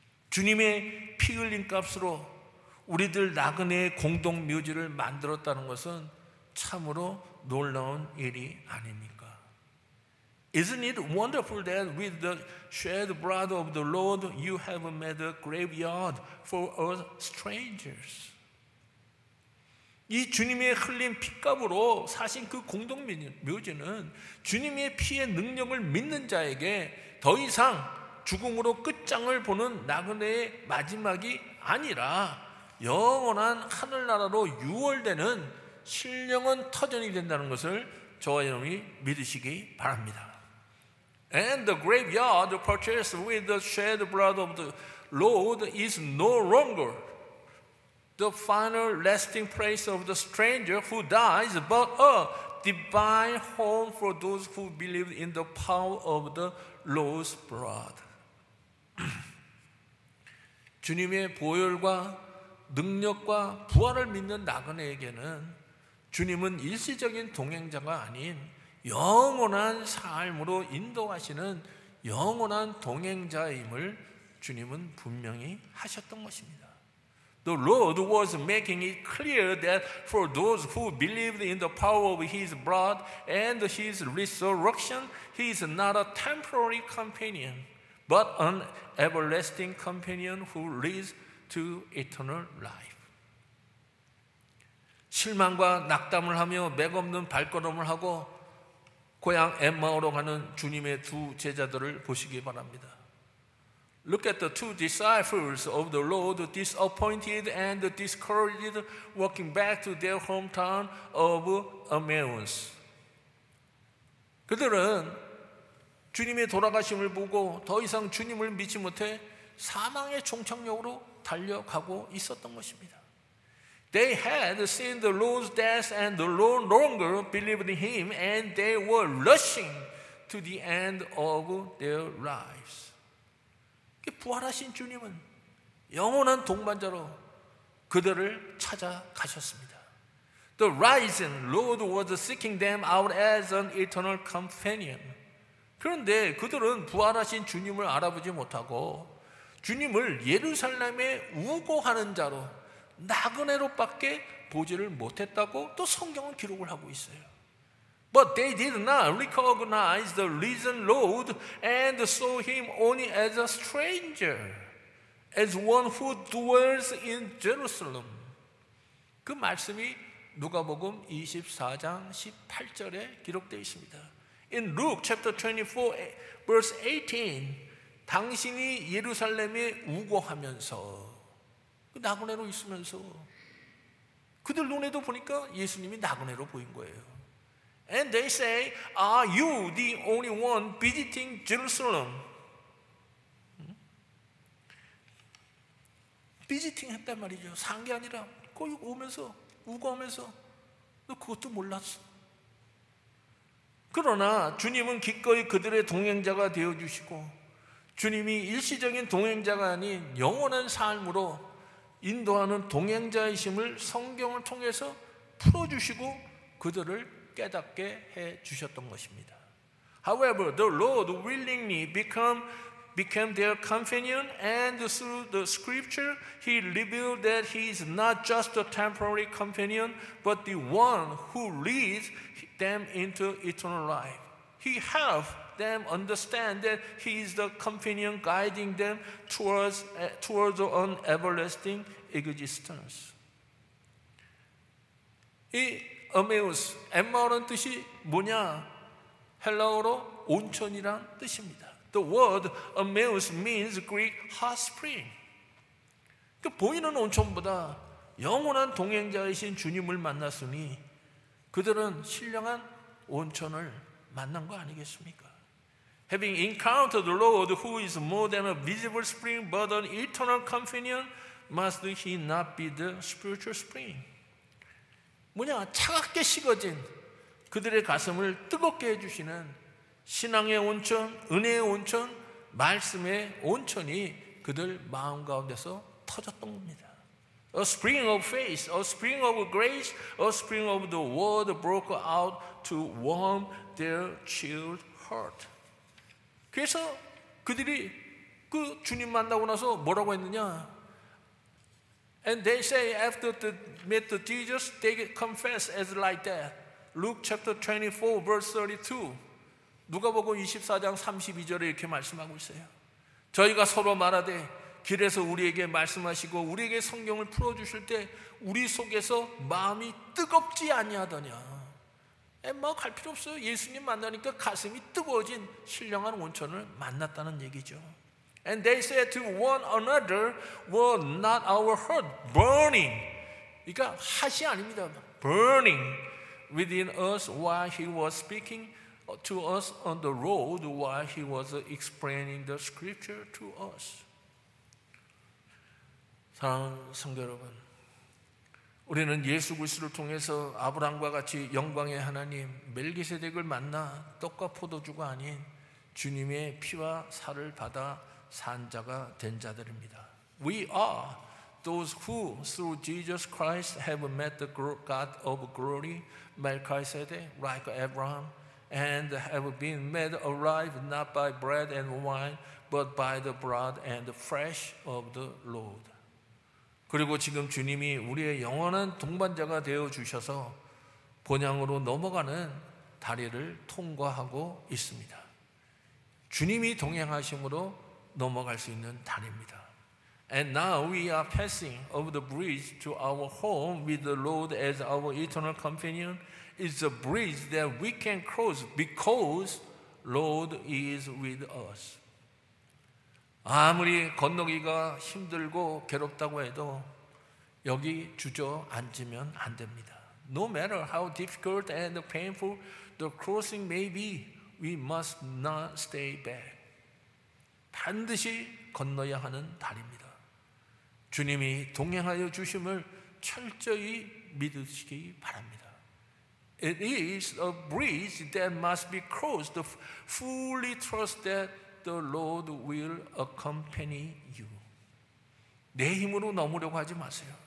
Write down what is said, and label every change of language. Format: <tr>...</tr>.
<ko>주님의 피 흘린 값으로 우리들 나그네의 공동 묘지를 만들었다는 것은 참으로 놀라운 일이 아닙니까?</ko> <en>Isn't it wonderful that with the shed blood of the Lord you have made a graveyard for us strangers?</en> <ko>이 주님의 흘린 피값으로 사신 그 공동 묘지는 주님의 피의 능력을 믿는 자에게 더 이상 죽음으로 끝장을 보는 나그네의 마지막이 아니라 영원한 하늘나라로 유월되는 신령한 터전이 된다는 것을 저와 여러분이 믿으시기 바랍니다.</ko> <en>And the graveyard purchased with the shed blood of the Lord is no longer the final resting place of the stranger who dies, but a divine home for those who believe in the power of the Lord's blood.</en> <ko>주님의 보혈과 능력과 부활을 믿는 나그네에게는 주님은 일시적인 동행자가 아닌 영원한 삶으로 인도하시는 영원한 동행자임을 주님은 분명히 하셨던 것입니다.</ko> <en>The Lord was making it clear that for those who believed in the power of his blood and his resurrection, he is not a temporary companion, but an everlasting companion who leads to eternal life.</en> <ko>실망과 낙담을 하며 맥없는 발걸음을 하고 고향 엠마오로 가는 주님의 두 제자들을 보시기 바랍니다.</ko> <en>Look at the two disciples of the Lord, disappointed and discouraged, walking back to their hometown of Emmaus.</en> <ko>그들은 주님의 돌아가심을 보고 더 이상 주님을 믿지 못해 사망의 종착역으로 달려가고 있었던 것입니다.</ko> <en>They had seen the Lord's death and the Lord no longer believed in him and they were rushing to the end of their lives.</en> <ko>부활하신 주님은 영원한 동반자로 그들을 찾아가셨습니다.</ko> <en>The risen Lord was seeking them out as an eternal companion.</en> <ko>그런데 그들은 부활하신 주님을 알아보지 못하고 주님을 예루살렘에 우고하는 자로 나그네로밖에 보지를 못했다고 또 성경은 기록을 하고 있어요.</ko> <en>But they did not recognize the risen Lord and saw him only as a stranger, as one who dwells in Jerusalem.</en> <ko>그 말씀이 누가복음 24장 18절에 기록되어 있습니다.</ko> <en>In Luke chapter 24 verse 18,</en> <ko>당신이 예루살렘에 우거하면서 그 나그네로 있으면서 그들 눈에도 보니까 예수님이 나그네로 보인 거예요.</ko> <en>And they say, are you the only one visiting Jerusalem?</en> <ko>Visiting 했단 말이죠. 산 게 아니라 거기 오면서 우거하면서 너 그것도 몰랐어. 그러나 주님은 기꺼이 그들의 동행자가 되어주시고 주님이 일시적인 동행자가 아닌 영원한 삶으로 인도하는 동행자이심을 성경을 통해서 풀어주시고 그들을 깨닫게 해 주셨던 것입니다.</ko> <en>However, the Lord willingly became their companion and through the scripture he revealed that he is not just a temporary companion but the one who leads them into eternal life. He helped them understand that he is the companion guiding them towards an everlasting existence.</en> <ko>이 어메우스, 엠마오라는 뜻이 뭐냐? 헬라어로 온천이란 뜻입니다.</ko> <en>The word Emmaus means Greek hot spring.</en> <ko>그 보이는 온천보다 영원한 동행자이신 주님을 만났으니 그들은 신령한 온천을 만난 거 아니겠습니까?</ko> <en>Having encountered the Lord who is more than a visible spring but an eternal companion, must he not be the spiritual spring?</en> <ko>뭐냐? 차갑게 식어진 그들의 가슴을 뜨겁게 해주시는 신앙의 온천, 은혜의 온천, 말씀의 온천이 그들 마음 가운데서 터졌던 겁니다.</ko> <en>A spring of faith, a spring of grace, a spring of the word broke out to warm their chilled heart.</en> <ko>그래서 그들이 그 주님 만나고 나서 뭐라고 했느냐?</ko> <en>And they say after they met the Jesus, they confess as like that. Luke chapter 24, verse 32.</en> <ko>누가복음 24장 32절에 이렇게 말씀하고 있어요. 저희가 서로 말하되 길에서 우리에게 말씀하시고 우리에게 성경을 풀어주실 때 우리 속에서 마음이 뜨겁지 아니하더냐. 뭐 갈 필요 없어요. 예수님 만나니까 가슴이 뜨거워진 신령한 온천을 만났다는 얘기죠.</ko> <en>And they said to one another, were not our heart burning?</en> <ko>그러니까 핫이 아닙니다.</ko> <en>Burning within us while he was speaking to us on the road while he was explaining the scripture to us.</en> <ko>사랑하는 성도 여러분, 우리는 예수 그리스도를 통해서 아브라함과 같이 영광의 하나님 멜기세덱을 만나 떡과 포도주가 아닌 주님의 피와 살을 받아 산 자가 된 자들입니다.</ko> <en>We are those who through Jesus Christ have met the God of glory, Melchizedek, like Abraham, and have been made alive not by bread and wine, but by the blood and the flesh of the Lord.</en> <ko>그리고 지금 주님이 우리의 영원한 동반자가 되어 주셔서 본향으로 넘어가는 다리를 통과하고 있습니다. 주님이 동행하심으로 넘어갈 수 있는 단입니다.</ko> <en>And now we are passing over the bridge to our home with the Lord as our eternal companion. It's a bridge that we can cross because Lord is with us.</en> <ko>아무리 건너기가 힘들고 괴롭다고 해도 여기 주저앉으면 안 됩니다.</ko> <en>No matter how difficult and painful the crossing may be, we must not stay back.</en> <ko>반드시 건너야 하는 다리입니다. 주님이 동행하여 주심을 철저히 믿으시기 바랍니다.</ko> <en>It is a bridge that must be crossed, fully trust that the Lord will accompany you.</en> <ko>내 힘으로 넘으려고 하지 마세요.</ko>